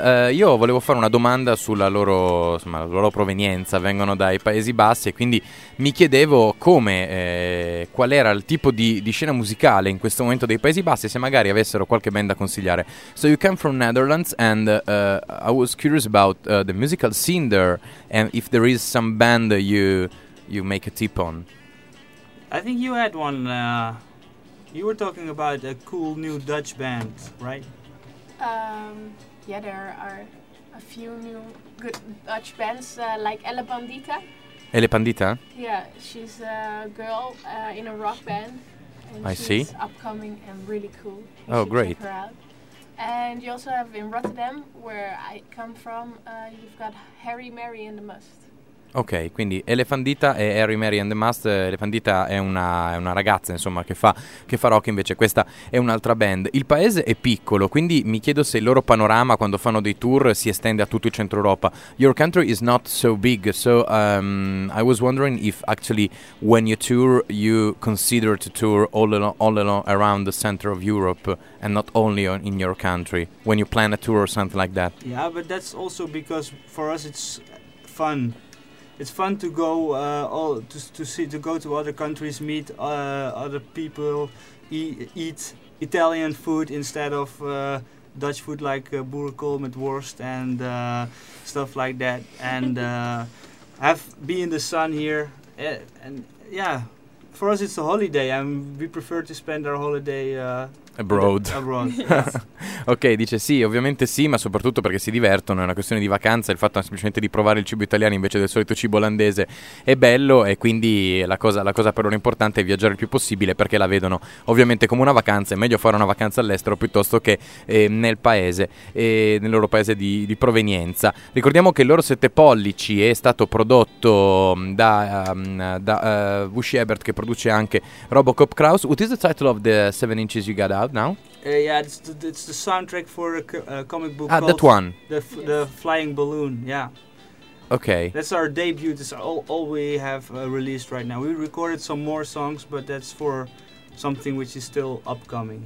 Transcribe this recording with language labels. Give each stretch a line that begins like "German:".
Italian: Io volevo fare una domanda sulla loro, insomma, la loro provenienza. Vengono dai Paesi Bassi e quindi mi chiedevo come, qual era il tipo di scena musicale in questo momento dei Paesi Bassi, se magari avessero qualche band da consigliare.
English: So you come from Netherlands and I was curious about the musical scene there and if there is some band you make a tip on. I think you had one. You were talking about a cool new Dutch band, right? Yeah, there are a few new good Dutch bands, like Elle Bandita. Elle Bandita? Yeah, she's a girl in a rock band. And I see. She's upcoming and really cool. Oh, great. Check her out. And you also have in Rotterdam, where I come from, you've got Harry, Mary and the Must.
Italian: Ok, quindi Elefandita e Harry Mary and the Must. Elefandita è una ragazza, insomma, che fa rock. Invece questa è un'altra band. Il paese è piccolo, quindi mi chiedo se il loro panorama quando fanno dei tour si estende a tutto il centro Europa.
English: Your country is not so big, so I was wondering if actually when you tour you consider to tour all along around the center of Europe and not only in your country when you plan a tour or something like that. Yeah, but that's also because for us it's fun. It's fun to go to go to other countries, meet other people, eat Italian food instead of Dutch food like
Dutch: boerenkool met worst
English: and stuff like that, and be in the sun here. And yeah, for us it's a holiday, and we prefer to spend our holiday abroad.
Italian: Ok, dice sì, ovviamente sì, ma soprattutto perché si divertono, è una questione di vacanza, il fatto semplicemente di provare il cibo italiano invece del solito cibo olandese è bello, e quindi la cosa per loro importante è viaggiare il più possibile, perché la vedono ovviamente come una vacanza. È meglio fare una vacanza all'estero piuttosto che nel paese, nel loro paese di provenienza. Ricordiamo che il loro 7 pollici è stato prodotto da Wushi Ebert, che produce anche Robocop Kraus.
English: What is the title of the 7 inches you got out now? It's the soundtrack for a comic book. That one. The Flying Balloon, yeah. Okay. That's our debut. It's all we have released right now. We recorded some more songs, but that's for something which is still upcoming.